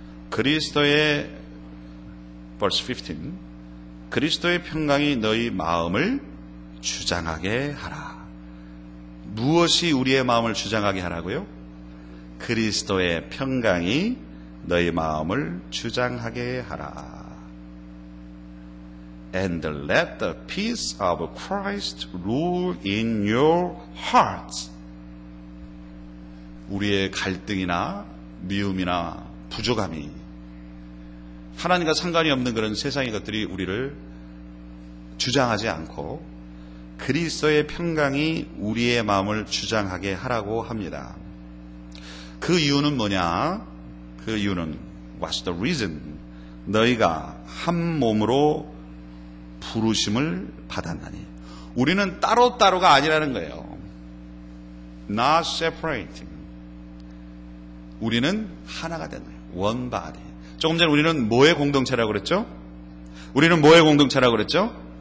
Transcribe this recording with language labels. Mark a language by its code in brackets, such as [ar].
[ko] 그리스도의 [en] verse [ko] 15 그리스도의 평강이 너희 마음을 주장하게 하라. 무엇이 우리의 마음을 주장하게 하라고요? 그리스도의 평강이 너희 마음을 주장하게 하라. [en] And let the peace of Christ rule in your hearts. [ko] 우리의 갈등이나 미움이나 부족함이 하나님과 상관이 없는 그런 세상의 것들이 우리를 주장하지 않고 그리스도의 평강이 우리의 마음을 주장하게 하라고 합니다. 그 이유는 뭐냐? 그 이유는 [en] What's the reason? [ko] 너희가 한 몸으로 부르심을 받았나니 우리는 따로따로가 아니라는 거예요. [en] Not separating. [ko] 우리는 하나가 됐네요. [en] One body. [ko] 조금 전에 우리는 뭐의 공동체라고 그랬죠? 우리는 뭐의 공동체라고 그랬죠?